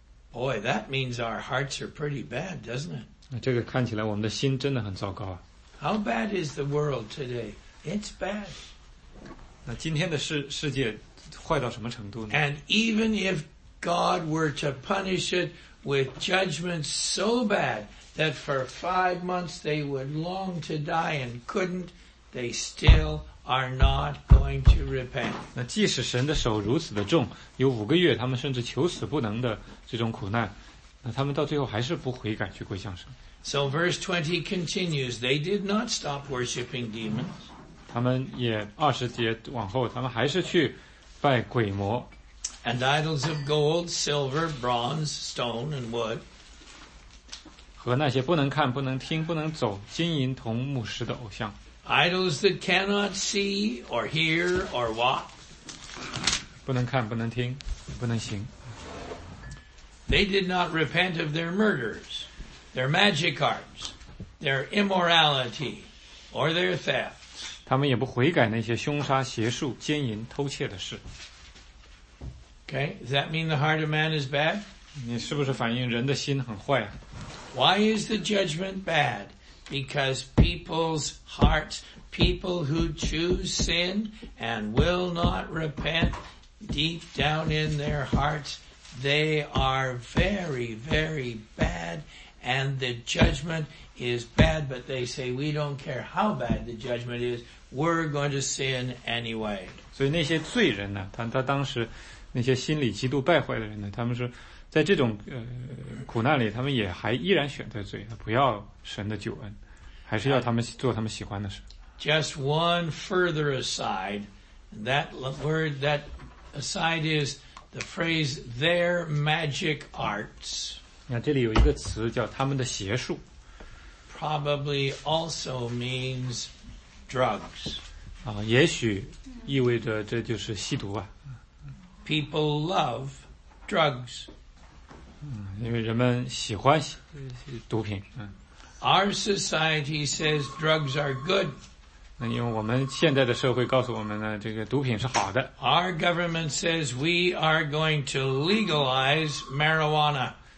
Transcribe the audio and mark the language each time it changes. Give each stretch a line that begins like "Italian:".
English: Boy, that means our hearts are pretty bad, doesn't it?
Chinese: 那这个看起来我们的心真的很糟糕啊。
English: How bad is the world today? It's bad.
Chinese: 那今天的世界坏到什么程度呢？
English: And even if God were to punish it with judgment so bad that for 5 months they would long to die and couldn't. They still are not going to repent.
Chinese: 那即使神的手如此的重，有五个月他们甚至求死不能的这种苦难，那他们到最后还是不悔改去归向神。
English: So verse 20 continues, they did not stop worshiping demons.
Chinese: 他们也二十节往后，他们还是去拜鬼魔。
English: And idols of gold, silver, bronze, stone, and wood.
Chinese: 和那些不能看、不能听、不能走、金银铜木石的偶像。
English: Idols that cannot see or hear or walk.
Chinese: 不能看，不能听，不能行。
English: They did not repent of their murders, their magic arts, their immorality, or their thefts.
Chinese: 他们也不悔改那些凶杀、邪术、奸淫、偷窃的事。
English: Okay, does that mean the heart of man is bad?
Chinese: 你是不是反映人的心很坏啊？
English: Why is the judgment bad? Because people's hearts, people who choose sin and will not repent, deep down in their hearts, they are very, very bad. And the judgment is bad, but they say, we don't care how bad the judgment is, we're going to sin anyway.
Chinese: 所以那些罪人呢，他当时那些心里极度败坏的人呢，他们是在这种苦难里，他们也还依然选择罪，不要神的救恩。还是要他们做他们喜欢的事。
English: Just one further aside, that aside is the phrase their magic arts.
Chinese: 那这里有一个词叫他们的邪术。
English: Probably also means drugs.
Chinese: 啊，也许意味着这就是吸毒啊。
English: People love drugs.
Chinese: 嗯，因为人们喜欢毒品。嗯。
English: Our society says drugs are good.
Chinese: 因为我们现在的社会告诉我们呢，这个毒品是好的。
English: Our government says we are going to legalize marijuana.